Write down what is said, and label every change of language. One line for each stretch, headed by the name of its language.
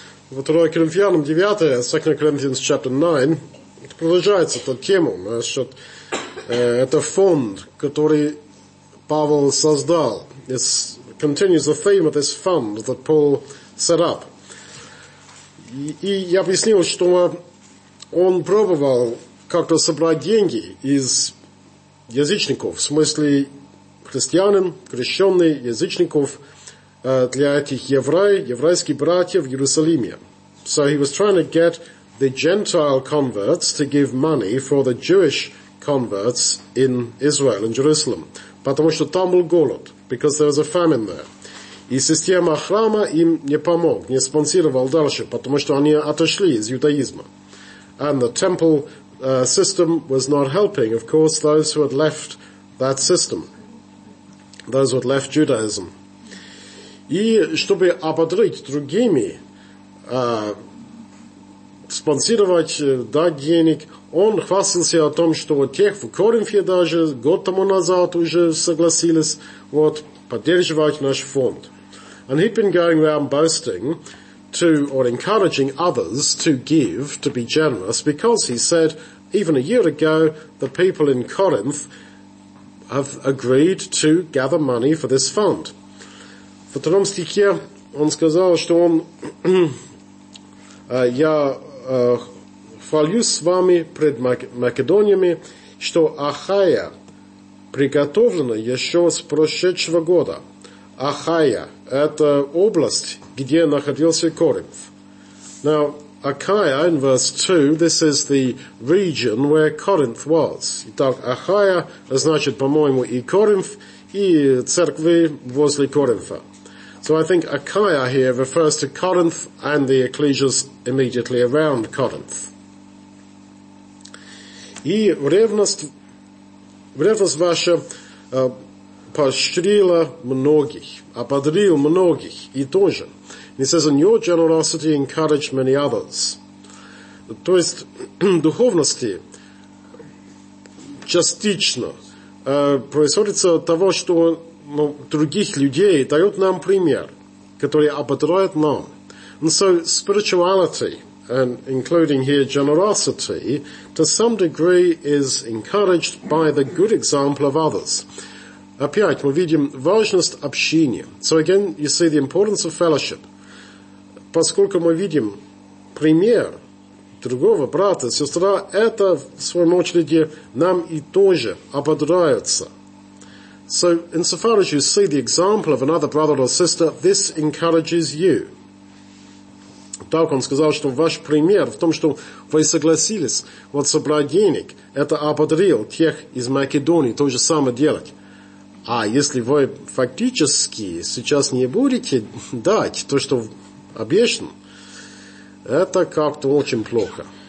Russian: В второй Коринфянам 9, 2 Коринфянам 9, продолжается эта тема насчет, это фонд, который Павел создал.
English: It continues the theme of this fund that Paul set up.
Russian: И я объяснил, что он пробовал как-то собрать деньги из язычников, в смысле христианин, крещенный, язычников, для этих еврейских братьев в Иерусалиме.
English: So he was trying to get the Gentile converts to give money for the Jewish converts in Israel, in Jerusalem.
Russian: Потому что там был голод,
English: because there was a famine there.
Russian: И система храма им не помог, не спонсировал дальше, потому что они отошли из иудаизма.
English: And the temple system was not helping, of course, those who had left that system, those who had left Judaism.
Russian: И чтобы ободрить другими, спонсировать, дать денег, он хвастался о том, что вот тех в Коринфе даже год тому назад уже согласились вот поддерживать наш фонд.
English: And he'd been going around boasting to or encouraging others to give, to be generous, because he said even a year ago the people in Corinth have agreed to gather money for this fund.
Russian: В втором стихе он сказал, что он я хвалюсь с вами пред Македониями, что Ахая приготовлена еще с прошедшего года. Ахая – это область, где находился Коринф.
English: Now, Ахая, in verse 2, this is the region where Corinth was.
Russian: Итак, Ахая – значит, по-моему, и Коринф, и церкви возле Коринфа.
English: So I think Achaia here refers to Corinth and the ecclesias immediately around Corinth.
Russian: И ревность ваша поощрила многих, ободрил многих и тоже.
English: He says, and your generosity encouraged many others.
Russian: То есть духовности частично происходится от того, что но других людей дают нам пример, который ободряет нам.
English: And so spirituality, and including here generosity, to some degree is encouraged by the good example of others.
Russian: Опять мы видим важность общения.
English: So again, you see the importance of fellowship.
Russian: Поскольку мы видим пример другого брата, сестра, это в своем очереди нам и тоже ободряется.
English: So, insofar as you see the example of another brother or sister, this encourages you.
Russian: Так он сказал, что ваш пример в том, что вы согласились вот собрать денег, это ободрил тех из Македонии то же самое делать. А если вы фактически сейчас не будете дать то, что обещано, это как-то очень плохо.